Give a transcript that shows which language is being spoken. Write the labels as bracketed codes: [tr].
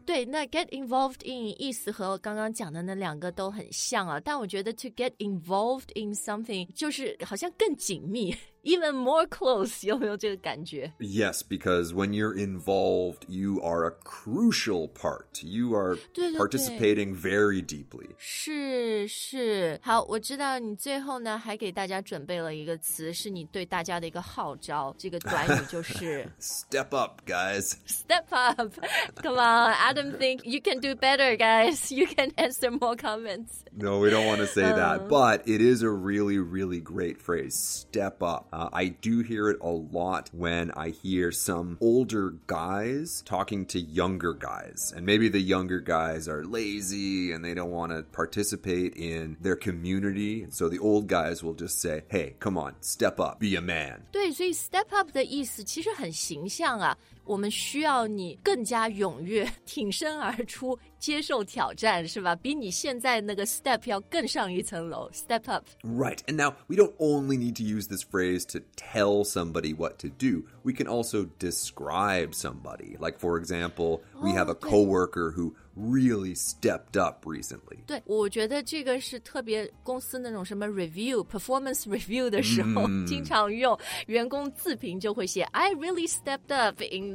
[zh] 对，那 get involved in 意思和刚刚讲的那两个都很像啊，但我觉得 [en] to get involved in something [zh] 就是好像更紧密。 [en] even more close, [zh] 有没有这个感觉? [en] Yes, because when you're involved, you are a crucial part. You are participating very deeply. [zh] 是是。好，我知道你最后呢，还给大家准备了一个词，是你对大家的一个号召。这个短语就是 [en] Step up, guys. Step up. Come on, Adam think you can do better, guys. You can answer more comments. No, we don't want to say that, but it is a really, really great phrase. Step up. I do hear it a lot when I hear some older guys talking to younger guys. And maybe the younger guys are lazy and they don't want to participate in their community. So the old guys will just say, hey, come on, step up, be a man. [zh] 对，所以 step up 的意思其实很形象啊。我们需要你更加踊跃，挺身而出，接受挑战，是吧？比你现在那个 step 要更上一层楼 ，step up. [en] Right, and now we don't only need to use this phrase to tell somebody what to do. We can also describe somebody. Like for example, we have a coworker who really stepped up recently. [zh] 对，我觉得这个是特别公司那种什么 review performance review 的时候经常用，员工自评就会写 [en] I really stepped up in.